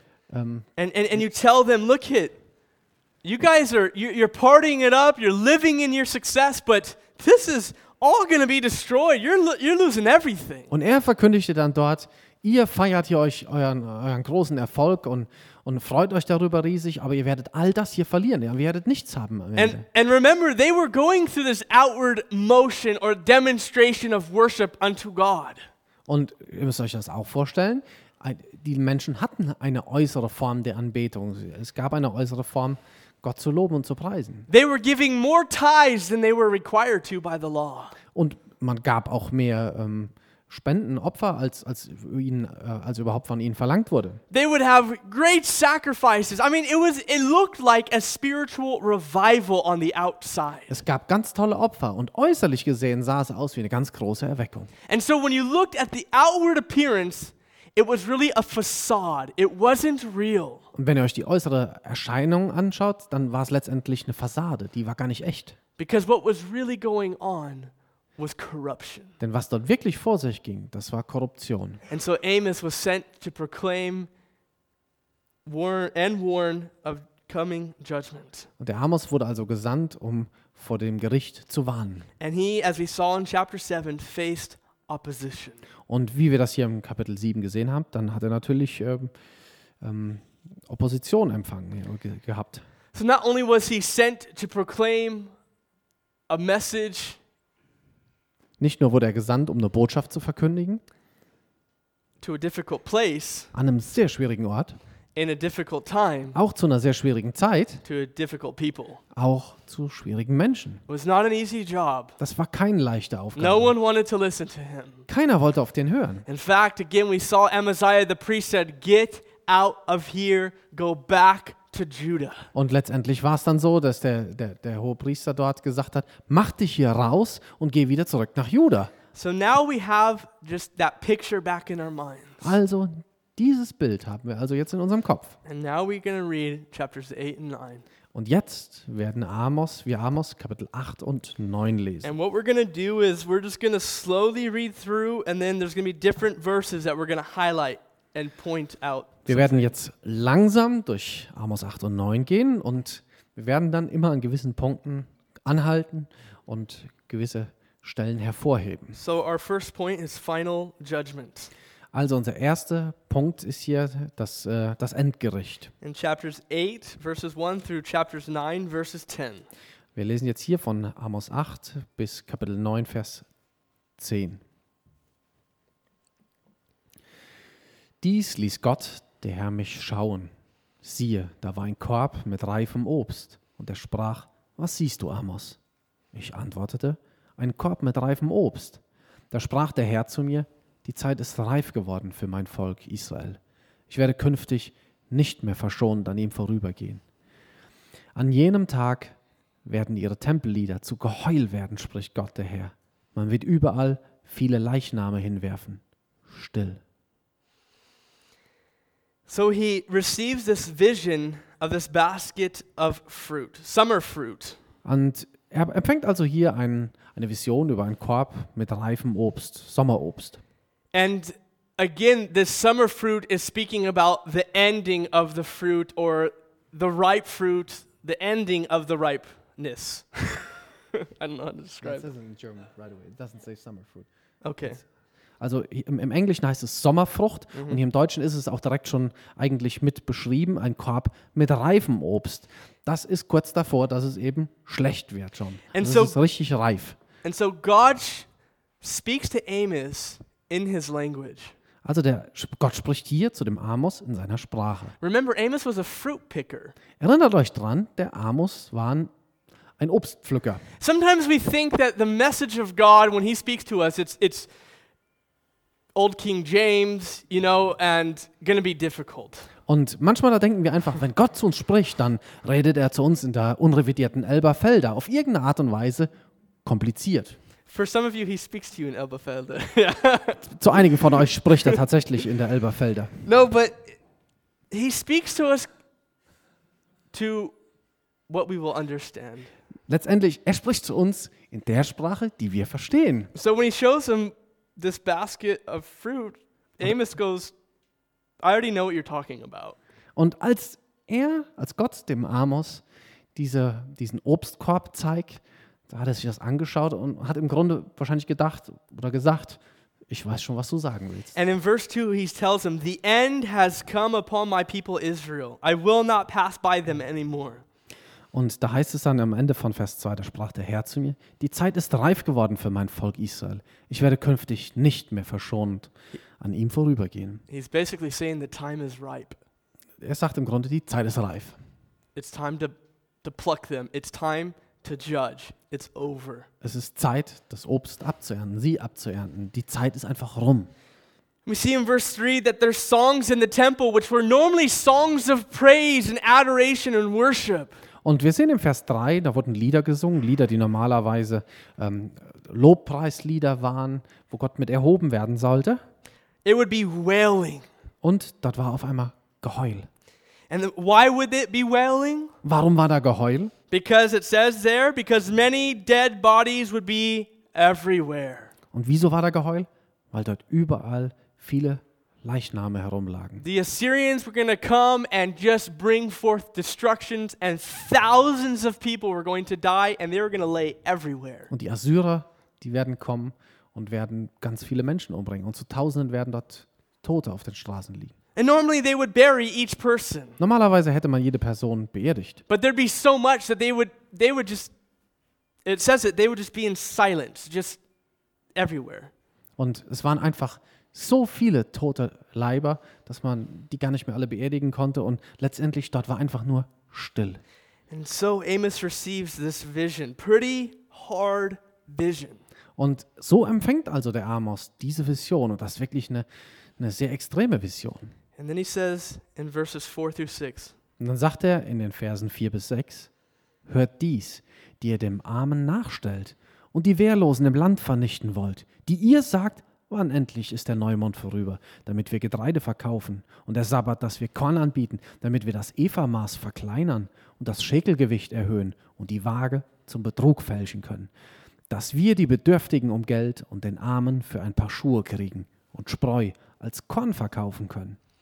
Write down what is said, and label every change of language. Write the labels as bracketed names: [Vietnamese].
[English] And you tell them, look it, you guys are you're partying it up, you're living in your success, but this is all going to be destroyed. You're losing everything. [German] Und er verkündigte dann dort, ihr feiert hier euch euren großen Erfolg und freut euch darüber riesig, aber ihr werdet all das hier verlieren. Ihr werdet nichts haben. [English] And remember, they were going through this outward motion or demonstration of worship unto God. [German] Und ihr müsst euch das auch vorstellen. Die Menschen hatten eine äußere Form der Anbetung. Es gab eine äußere Form, Gott zu loben und zu preisen. [English] They were giving more tithes than they were required to by the law. [German] Und man gab auch mehr Spenden, Opfer, als überhaupt von ihnen verlangt wurde. [English] They would have great sacrifices. I mean, it looked like a spiritual revival on the outside. [German] Es gab ganz tolle Opfer und äußerlich gesehen sah es aus wie eine ganz große Erweckung. [English] And so when you looked at the outward appearance, it was really a facade. It wasn't real. [German] Und wenn ihr euch die äußere Erscheinung anschaut, dann war es letztendlich eine Fassade. Die war gar nicht echt. [English] Because what was really going on was corruption. [German] Denn was dort wirklich vor sich ging, das war Korruption. [English] And so Amos was sent to proclaim and warn of coming judgment. [German] Und der Amos wurde also gesandt, um vor dem Gericht zu warnen. [English] And he, as we saw in chapter 7, faced opposition. [German] Und wie wir das hier im Kapitel 7 gesehen haben, dann hat er natürlich Opposition empfangen gehabt. [English] So not only was he sent to proclaim a message. [German] Nicht nur wurde er gesandt, um eine Botschaft zu verkündigen. [English] To a difficult place. [German] An einem sehr schwierigen Ort. [English] In a difficult time. [German] Auch zu einer sehr schwierigen Zeit. [English] To a difficult people. [German] Auch zu schwierigen Menschen. [English] It was not an easy job. [German] Das war keine leichte Aufgabe. [English] No one wanted to listen to him. [German] Keiner wollte auf den hören. [English] In fact, again, we saw Amaziah the priest said, "Get out of here, go back to Judah." [German] Und letztendlich war es dann so, dass der hohe Priester dort gesagt hat, mach dich hier raus und geh wieder zurück nach Juda. [English] So now we have just that picture back in our minds. [German] Also dieses Bild haben wir also jetzt in unserem Kopf. [English] And now we're going to read chapters 8 and 9. [German] Und jetzt werden wir Amos Kapitel 8 und 9 lesen. [English] And what we're going to do is we're just going to slowly read through and then there's going to be different verses that we're going to highlight and point out. [German] Wir werden jetzt langsam durch Amos 8 und 9 gehen und wir werden dann immer an gewissen Punkten anhalten und gewisse Stellen hervorheben. [English] So our first point is final judgment. [German] Also unser erster Punkt ist hier das Endgericht. [English] In chapters 8 verses 1 through chapters 9 verses 10. [German] Wir lesen jetzt hier von Amos 8 bis Kapitel 9 Vers 10. Dies ließ Gott, der Herr, mich schauen. Siehe, da war ein Korb mit reifem Obst. Und er sprach, was siehst du, Amos? Ich antwortete, ein Korb mit reifem Obst. Da sprach der Herr zu mir, die Zeit ist reif geworden für mein Volk Israel. Ich werde künftig nicht mehr verschont an ihm vorübergehen. An jenem Tag werden ihre Tempellieder zu Geheul werden, spricht Gott, der Herr. Man wird überall viele Leichname hinwerfen. Still. [English] So he receives this vision of this basket of fruit, summer fruit. [German] Und er empfängt also hier eine Vision über einen Korb mit reifem Obst, Sommerobst. [English] And again, this summer fruit is speaking about the ending of the fruit or the ripe fruit, the ending of the ripeness. I don't know how to describe it. It says in German right away. It doesn't say summer fruit. Okay. [German] Also im Englischen heißt es Sommerfrucht und hier im Deutschen ist es auch direkt schon eigentlich mit beschrieben, ein Korb mit reifem Obst. Das ist kurz davor, dass es eben schlecht wird schon. [English] And [German] das [English] so, [German] ist richtig reif. [English] And so God speaks to Amos in his language. [German] Also der Gott spricht hier zu dem Amos in seiner Sprache. [English] Remember, Amos was a fruit picker. [German] Erinnert euch dran, der Amos war ein Obstpflücker. [English] Sometimes we think that the message of God when he speaks to us, it's Old King James, you know, and gonna be difficult. [German] Und manchmal da denken wir einfach, wenn Gott zu uns spricht, dann redet er zu uns in der unrevidierten Elberfelder auf irgendeine Art und Weise kompliziert. [English] For some of you, he speaks to you in Elberfelder. [German] Zu einigen von euch spricht er tatsächlich in der Elberfelder. [English] No, but he speaks to us to what we will understand. [German] Letztendlich, er spricht zu uns in der Sprache, die wir verstehen. [English] So when he shows him this basket of fruit, Amos goes, I already know what you're talking about. [German] Und als er, als Gott dem Amos diesen Obstkorb zeigt, da hat er sich das angeschaut und hat im Grunde wahrscheinlich gedacht oder gesagt, ich weiß schon, was du sagen willst. [English] And in verse 2 he tells him, the end has come upon my people Israel. I will not pass by them anymore. [German] Und da heißt es dann am Ende von Vers 2, da sprach der Herr zu mir, die Zeit ist reif geworden für mein Volk Israel. Ich werde künftig nicht mehr verschont an ihm vorübergehen. [English] He's basically saying the time is ripe. [German] Er sagt im Grunde, die Zeit ist reif. [English] It's time to pluck them. It's time to judge. It's over. [German] Es ist Zeit, das Obst abzuernten, sie abzuernten. Die Zeit ist einfach rum. [English] We see in verse 3 that there's songs in the temple, which were normally songs of praise and adoration and worship. [German] Und wir sehen im Vers 3, da wurden Lieder gesungen, Lieder, die normalerweise Lobpreislieder waren, wo Gott mit erhoben werden sollte. [English] It would be wailing. [German] Und dort war auf einmal Geheul. [English] And why would it be wailing? [German] Warum war da Geheul? [English] Because it says there, because many dead bodies would be everywhere. [German] Und wieso war da Geheul? Weil dort überall viele Leichname herumlagen. [English] The Assyrians were going to come and just bring forth destructions and thousands of people were going to die and they were going to lay everywhere. [German] Und die Assyrer, die werden kommen und werden ganz viele Menschen umbringen und zu tausenden werden dort Tote auf den Straßen liegen. [English] And normally they would bury each person. [German] Normalerweise hätte man jede Person beerdigt. [English] But there'd be so much that they would just, it says it, they would just be in silence, just everywhere. [German] Und es waren einfach so viele tote Leiber, dass man die gar nicht mehr alle beerdigen konnte und letztendlich dort war einfach nur still. [English] And so Amos receives this vision, pretty hard vision. [German] Und so empfängt also der Amos diese Vision und das ist wirklich eine sehr extreme Vision. [English] And then he says in verses 4 through 6. [German] Und dann sagt er in den Versen 4 bis 6, hört dies, die ihr dem Armen nachstellt und die Wehrlosen im Land vernichten wollt, die ihr sagt, wann endlich ist der Neumond vorüber, damit wir Getreide verkaufen und der Sabbat, dass wir Korn anbieten, damit wir das Ephamaß verkleinern und das Schekelgewicht erhöhen und die Waage zum Betrug fälschen können, dass wir die Bedürftigen um Geld und den Armen für ein paar Schuhe kriegen und Spreu als Korn verkaufen können.